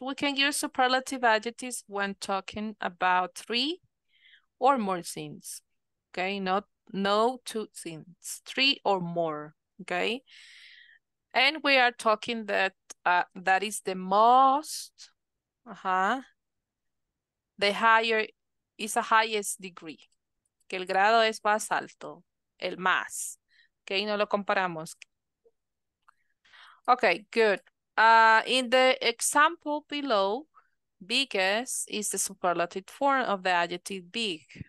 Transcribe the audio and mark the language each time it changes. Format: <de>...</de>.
<en>We can use superlative adjectives when talking about three or more things. Okay. No two things. Three or more. Okay. And we are talking that that is the most, the higher is the highest degree.</en> <es>Que el grado es más alto, el más. Okay, no lo comparamos.</es> <en>Okay, good. In the example below, biggest is the superlative form of the adjective big.</en>